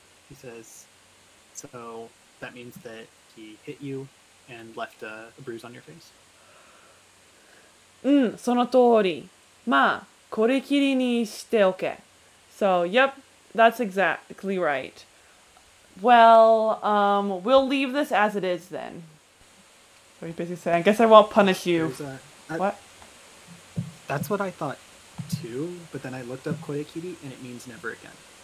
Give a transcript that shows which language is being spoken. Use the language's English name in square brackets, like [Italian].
[English] He says, so that means that he hit you and left a bruise on your face? [Japanese] その通り。まあ、これきりにしておけ。 [English] So, yep, that's exactly right. Well, we'll leave this as it is then. What are you basically saying? I guess I won't punish you. What? That's what I thought. too, but then I looked up Koyakiri and it means never again.